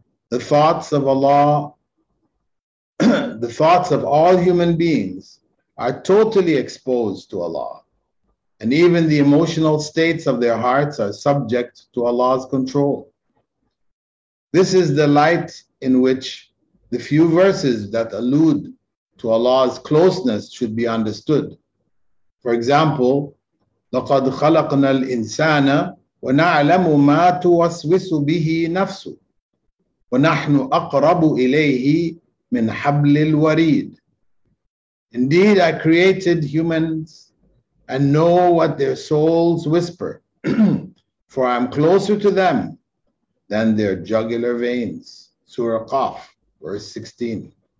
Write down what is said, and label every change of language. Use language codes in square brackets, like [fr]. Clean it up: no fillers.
[en] The thoughts of Allah, the thoughts of all human beings are totally exposed to Allah. And even the emotional states of their hearts are subject to Allah's control. This is the light in which the few verses that allude to Allah's closeness should be understood. For example, [ar] لَقَدْ خَلَقْنَا الْإِنسَانَ وَنَعْلَمُ مَا تُوَسْوِسُ بِهِ نَفْسُ وَنَحْنُ أَقْرَبُ إِلَيْهِ مِنْ حَبْلِ الْوَرِيدِ. [en] Indeed, I created humans and know what their souls whisper, for I am closer to them than their jugular veins. Surah Qaf, verse 16.